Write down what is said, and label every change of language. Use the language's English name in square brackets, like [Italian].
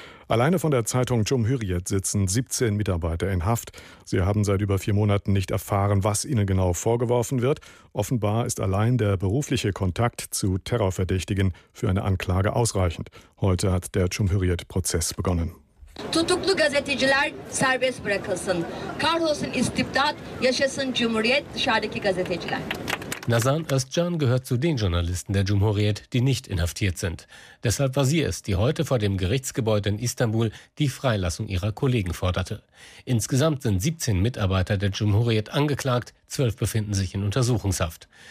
[German] Alleine von der Zeitung Cumhuriyet sitzen 17 Mitarbeiter in Haft. Sie haben seit über 4 Monaten nicht erfahren, was ihnen genau vorgeworfen wird. Offenbar ist allein der berufliche Kontakt zu Terrorverdächtigen für eine Anklage ausreichend. Heute hat der Cumhuriyet-Prozess begonnen. [Turkish] Tutuklu gazeteciler serbest bırakılsın. Kahrolsun istibdat, yaşasın Cumhuriyet, dışarıdaki gazeteciler. [German] Nazan Özcan gehört zu den Journalisten der Cumhuriyet, die nicht inhaftiert sind. Deshalb war sie es, die heute vor dem Gerichtsgebäude in Istanbul die Freilassung ihrer Kollegen forderte. Insgesamt sind 17 Mitarbeiter der Cumhuriyet angeklagt, 12 befinden sich in Untersuchungshaft.